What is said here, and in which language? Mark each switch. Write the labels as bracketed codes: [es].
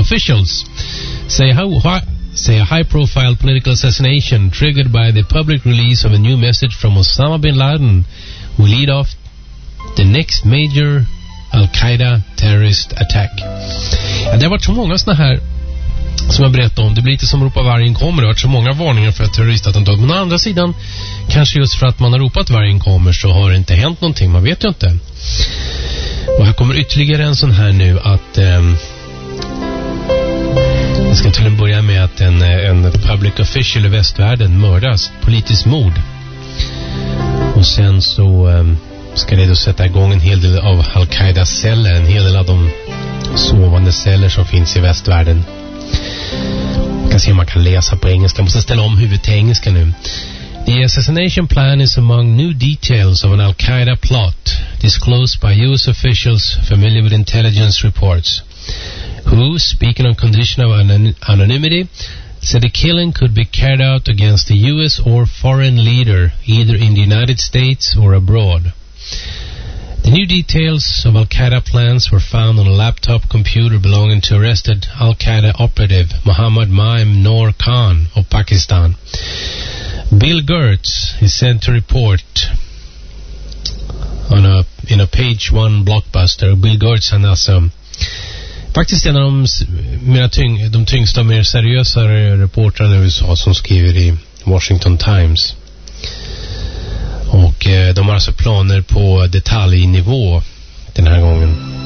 [en] Officials say a high profile political assassination triggered by the public release of a new message from Osama bin Laden will lead off the next major Al-Qaida terrorist attack. [sv] Ja, det har varit så många såna här som jag berättade om. Det blir lite som att ropa vargen kommer. Det har varit så många varningar för att terroristattentat. Men å andra sidan, kanske just för att man har ropat vargen kommer, så har det inte hänt någonting. Man vet ju inte. Och här kommer ytterligare en sån här nu, att jag ska till en börja med att en public official i västvärlden mördas. Politiskt mord. Och sen så ska det då sätta igång en hel del av Al-Qaidas celler, en hel del av de sovande celler som finns i västvärlden. Man kan se om man kan läsa på engelska. Jag måste ställa om huvudet till engelska nu. [en] The assassination plan is among new details of an Al-Qaida plot disclosed by US officials familiar with intelligence reports, who, speaking on condition of anonymity, said the killing could be carried out against a US or foreign leader, either in the United States or abroad. The new details of Al-Qaeda plans were found on a laptop computer belonging to arrested Al-Qaeda operative Muhammad Maim Noor Khan of Pakistan. Bill Gertz is sent to report in a page one blockbuster. [sv] Bill Gertz är alltså faktiskt en av de tyngsta och mer seriösa reportrarna i USA, som skriver i Washington Times. Och de har alltså planer på detaljnivå den här gången.